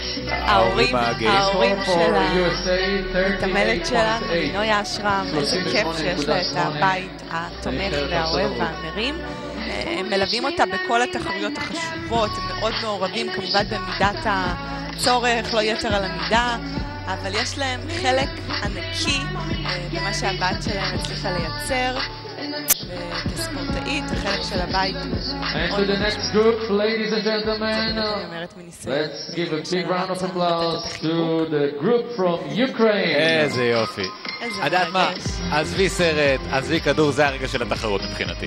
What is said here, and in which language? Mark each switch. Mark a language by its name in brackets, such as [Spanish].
[Hebrew] ההורים ההורים שלה, מתמלת שלה, נוי אשרם, איזה כיף שיש לה את הבית התומך והאוהב והמרים. הם מלווים אותה בכל התחרויות החשובות, הם מאוד מעורבים כמובן במידת הצורך, לא יתר על המידה, אבל יש להם חלק ענקי במה שהבת שלהם הצליחה לייצר. כספורטאית, החלק של הבית. [English] And to the next group, ladies and gentlemen, let's give a big round of applause to the group from Ukraine. [Hebrew] איזה יופי. עדת מה, עזבי סרט, עזבי כדור, זה הרגע של התחרות מבחינתי.